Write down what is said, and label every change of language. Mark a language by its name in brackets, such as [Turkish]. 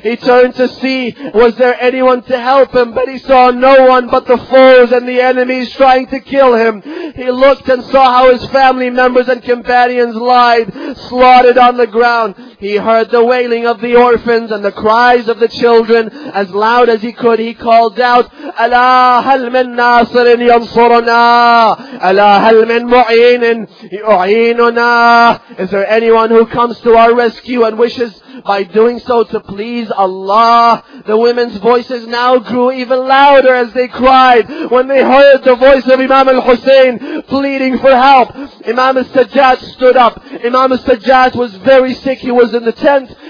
[English] He turned to see, was there anyone to help him? But he saw no one but the foes and the enemies trying to kill him. He looked and saw how his family members and companions lied, slaughtered on the ground. He heard the wailing of the orphans and the cries of the children. As loud as he could, he called out, [Arabic] أَلَا هَلْ مِنْ نَاصِرٍ يَنْصُرُنَا أَلَا هَلْ مِنْ مُعِينٍ يُعِينُنَا. [English] Is there anyone who comes to our rescue and wishes by doing so to please Allah? The women's voices now grew even louder as they cried when they heard the voice of Imam al-Hussein pleading for help. Imam al-Sajjad stood up. Imam al-Sajjad was very sick. He was in the tent.